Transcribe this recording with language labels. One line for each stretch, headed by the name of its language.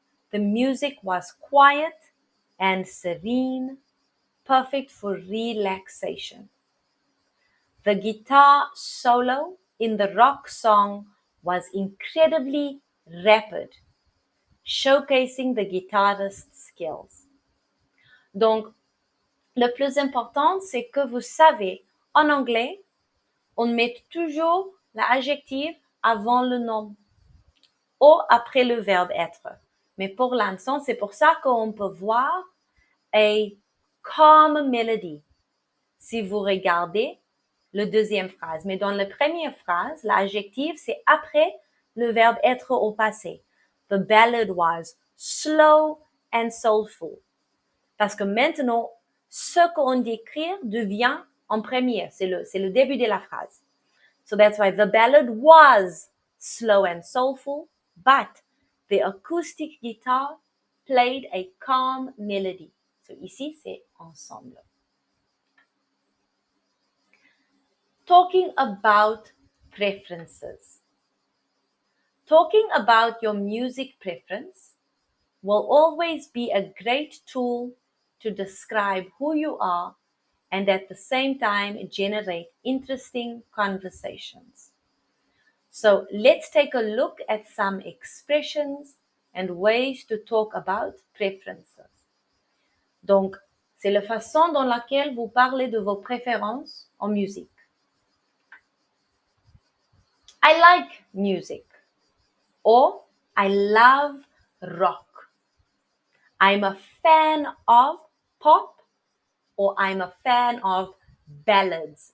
English: The music was quiet and serene, perfect for relaxation. The guitar solo in the rock song was incredibly rapid, showcasing the guitarist's skills.
French: Donc, le plus important, c'est que vous savez, en anglais, on met toujours l'adjectif avant le nom ou après le verbe être. Mais pour l'instant, c'est pour ça qu'on peut voir
English: a calm melody
French: si vous regardez la deuxième phrase. Mais dans la première phrase, l'adjectif, c'est après le verbe être au passé.
English: The ballad was slow and soulful.
French: Parce que maintenant, ce qu'on décrit devient en premier. C'est le début de la phrase.
English: So that's why the ballad was slow and soulful, but the acoustic guitar played a calm melody.
French: So ici, c'est ensemble.
English: Talking about preferences. Talking about your music preference will always be a great tool to describe who you are and at the same time generate interesting conversations. So let's take a look at some expressions and ways to talk about preferences.
French: Donc, c'est la façon dans laquelle vous parlez de vos préférences en musique.
English: I like music. Or, I love rock. I'm a fan of pop. Or, I'm a fan of ballads.